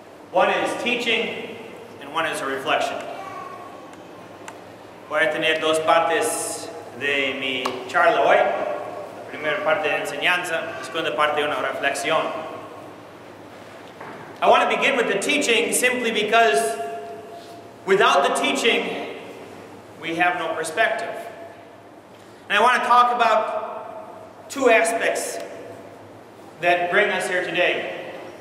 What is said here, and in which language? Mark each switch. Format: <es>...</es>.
<en>One is teaching, and one is a reflection.</en> <es>Voy a tener dos partes de mi charla hoy. La primera parte de enseñanza, la segunda parte de una reflexión.</es> <en>I want to begin with the teaching simply because without the teaching, we have no perspective. And I want to talk about two aspects that bring us here today.</en>